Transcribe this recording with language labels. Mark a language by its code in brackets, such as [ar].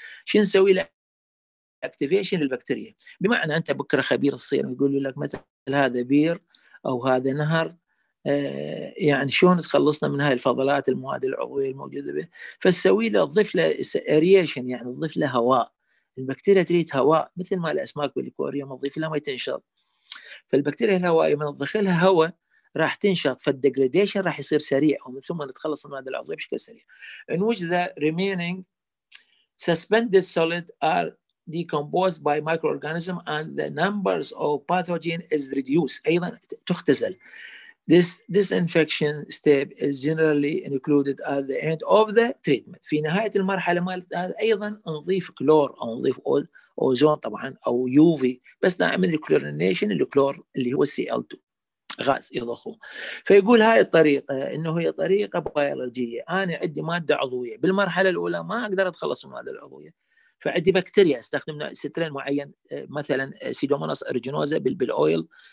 [ar] شو نسوي له activation للبكتيريا بمعنى انت بكره خبير تصير يقول لك مثل هذا بير أو هذا نهر يعني شلون تخلصنا من هاي الفضلات المواد العضوية الموجودة به فتسوي له تضيف له aeration يعني تضيف له هواء البكتيريا تريد هواء مثل ما الأسماك بالأكواريوم تضيف لها ما تنشط فالبكتيريا الهواء من تدخلها هواء راح تنشط فالديجريديشن راح يصير سريع ومن ثم نتخلص من هذا العضوية بشكل سريع. [en] In which the remaining suspended solid are decomposed by microorganism and the numbers of pathogen is reduced [ar] أيضا تختزل. [en] This infection step is generally included at the end of the treatment. [ar] في نهاية المرحلة أيضا نضيف كلور أو نضيف أوزون طبعا أو UV بس دائما الكلورينيشن الكلور اللي هو Cl2 غاز يضخه. فيقول هاي الطريقة إنه هي طريقة بيولوجية أنا عندي مادة عضوية بالمرحلة الأولى ما أقدر أتخلص من هذه العضوية فعندي بكتيريا استخدمنا سترين معين مثلا سيدوموناس اريجينوزا بالاويل